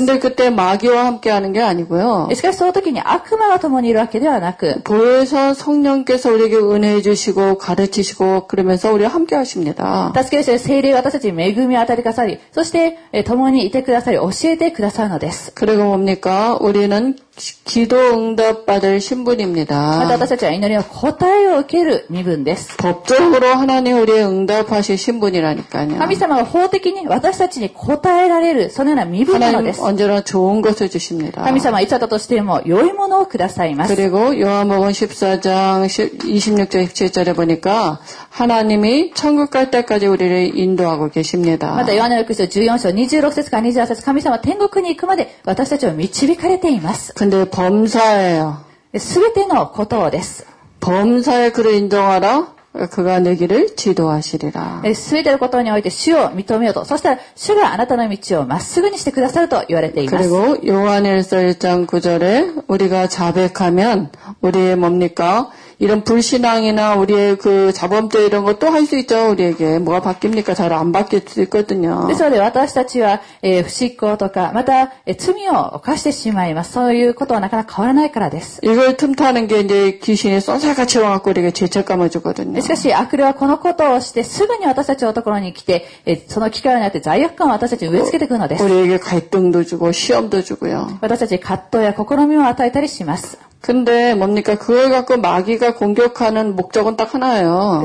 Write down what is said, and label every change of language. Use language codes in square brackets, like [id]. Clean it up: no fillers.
[ko] 근데그때마귀와함께하는게아니고요 [ja] しかしその時に悪魔が共にいるわけではなく [ko] 보혜사성령께서우리에게은혜해주시고가르치시고그러면서우리와함께하십니다 [ja] 助け主で聖霊が私たちに恵みを与えてくださりそして共にいてくださり教えてくださるのです [ko] 그리고뭡니까우리는기도응답받을신분입니다 [ja] また私たちは祈りの答えを受ける身分です [ko] 법적으로하나님우리에응답하실신분이라니까요 [ja] 神様は法的に私たちに答えられるそのような身分なのです [ko] 하나님언제나좋은것을주십니다 [ja] 神様はいつだとしても良いものをくださいます [ko] 그리고요한복음14장26절17절에보니까 하나님이천국갈때까지우리를인도하고계십니다 [ja] また、ヨハネの福音書14章26節から28節、神様は天国に行くまで私たちを導かれています。 [ko] 근데범사예요。 [ja] すべてのことです。 [ko] 범사의그를인정하라그가내길을지도하시리라。 [ja] すべてのことにおいて主を認めようと。そしたら主があなたの道をまっすぐにしてくださると言われています。 [ko] 그리고요한일서1장9절에우리가자백하면우리의뭡니까이런불신앙이나우리의그자범죄이런것도할수있죠우리에게뭐가바뀝니까잘안바뀔수있거든요 그래서우리와 [ja] 私たちは不信仰とかまた罪を犯してしまいますそういうことはなかなか変わらないからです [ko] 이걸틈타는게이제귀신이쏜살같이와갖고우리에게죄책감을주거든요 [ja] しかし悪霊はこのことをしてすぐに私たちのところに来てその機会になって罪悪感を私たちに植え付けてくるのです [ko] 우리에게갈등도주고시험도주고요 [ja] 私たち葛藤や試みを与えたりします [ko] 근데뭡니까그걸갖고마귀가공격하는목적은딱하나예요